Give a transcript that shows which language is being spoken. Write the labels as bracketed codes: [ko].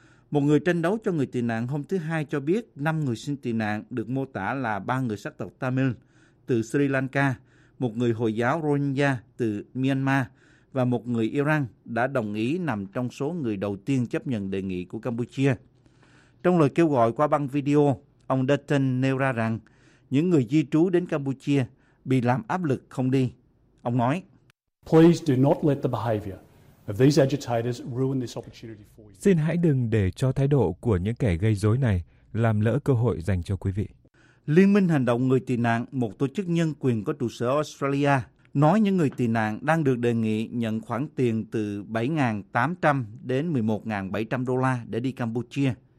[vi] Một người tranh đấu cho người tị nạn hôm thứ Hai cho biết 5 người xin tị nạn được mô tả là 3 người sắc tộc Tamil từ Sri Lanka, một người Hồi giáo Rohingya từ Myanmar và một người Iran đã đồng ý nằm trong số người đầu tiên chấp nhận đề nghị của Campuchia. Trong lời kêu gọi qua băng video, ông Dutton nêu ra rằng những người di trú đến Campuchia bị làm áp lực không đi. Ông nói, [en] "Please do not let the behavior of these agitators ruin this opportunity for you." [vi] Xin hãy đừng để cho thái độ của những kẻ gây rối này làm lỡ cơ hội dành cho quý vị. Liên minh Hành động Người Tị Nạn, một tổ chức nhân quyền có trụ sở Australia, nói những người tị nạn đang được đề nghị nhận khoản tiền từ 7.800 đến 11.700 đô la để đi Campuchia.